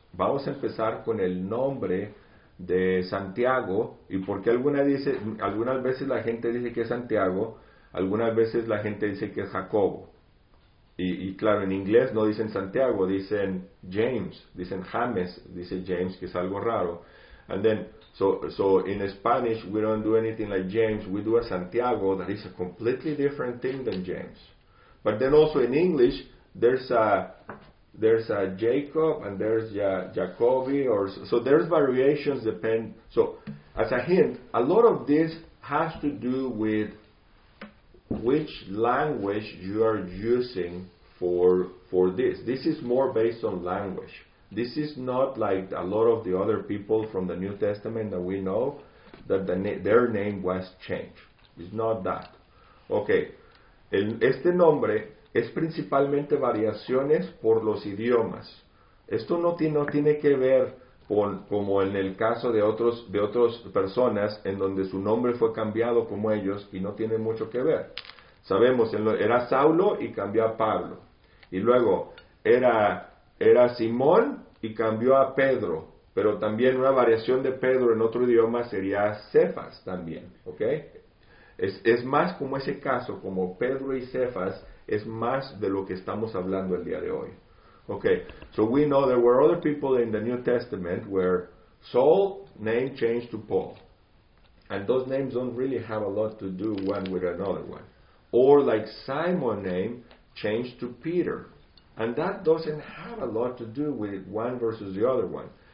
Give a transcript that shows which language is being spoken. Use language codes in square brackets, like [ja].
[es] Vamos a empezar con el nombre de Santiago. ¿Y por qué algunas veces la gente dice que es Santiago? Algunas veces la gente dice que es Jacobo. Y claro, en inglés no dicen Santiago, dicen James. Dicen James, dice James, que es algo raro. [en] And then, so in Spanish, we don't do anything like James. We do a Santiago that is a completely different thing than James. But then also in English, there's a Jacob and there's Jacobi, or so there's variations depend. So as a hint, a lot of this has to do with which language you are using for this. This is more based on language. This is not like a lot of the other people from the New Testament that we know, that their name was changed. It's not that. Okay. [es] Este nombre es principalmente variaciones por los idiomas. Esto no tiene que ver como en el caso de otras personas en donde su nombre fue cambiado como ellos y no tiene mucho que ver. Sabemos, era Saulo y cambió a Pablo. Y luego era Simón y cambió a Pedro. Pero también una variación de Pedro en otro idioma sería Cefas también. ¿Okay? Es más como ese caso, como Pedro y Cefas, es más de lo que estamos hablando el día de hoy. [en] Okay, so we know there were other people in the New Testament where Saul's name changed to Paul. And those names don't really have a lot to do one with another one. Or like Simon's name changed to Peter. And that doesn't have a lot to do with one versus the other one.